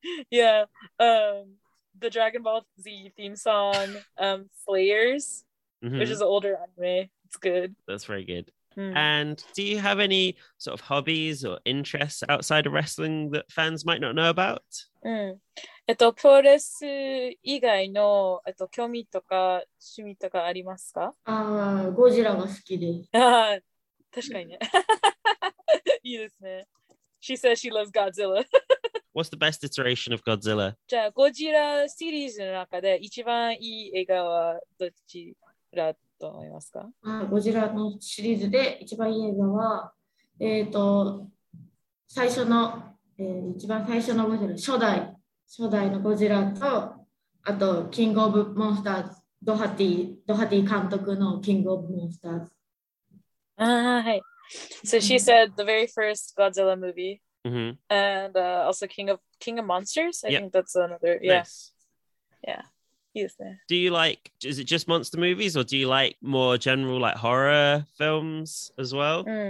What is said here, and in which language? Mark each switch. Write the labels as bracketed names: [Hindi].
[English] yeah. The Dragon Ball Z theme song, Slayers, which is an older anime. It's good. That's very good. And do you have any sort of hobbies or interests outside of wrestling that fans might not know about? [Japanese] プロレス以外の興味とか趣味とかありますか？ゴジラが好きで。確かにね。いいですね。 [English] She says she loves Godzilla. What's the best iteration of Godzilla? [Japanese] じゃあ、ゴジラシリーズの中で一番いい映画はどちらと思いますか？ゴジラのシリーズで一番いい映画は、最初の、一番最初のゴジラ、初代のゴジラと、あと、キングオブモンスターズ、ドハティ監督のキングオブモンスターズ。 [English] So she said the very first Godzilla movie, mm-hmm. and also King of Monsters. I think that's another. Yes. Yeah. Do you like, is it just monster movies or do you like more general like horror films as well?